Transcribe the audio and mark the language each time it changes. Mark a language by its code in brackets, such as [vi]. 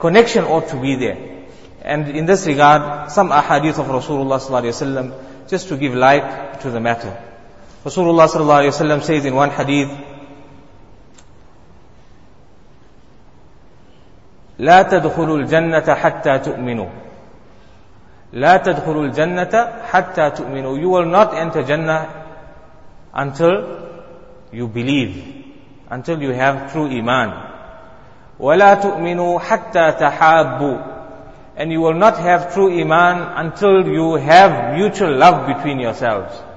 [en] connection ought to be there. And in this regard, some ahadith of Rasulullah sallallahu alayhi wa sallam, just to give light to the matter. Rasulullah sallallahu alayhi wa sallam says in one hadith, [ar] لا تدخلوا الجنة حتى تؤمنوا. لا تدخلوا الجنة حتى تؤمنوا. [en] You will not enter Jannah until you believe, until you have true iman. [ar] ولا تؤمنوا حتى تحابوا. [en] And you will not have true iman until you have mutual love between yourselves.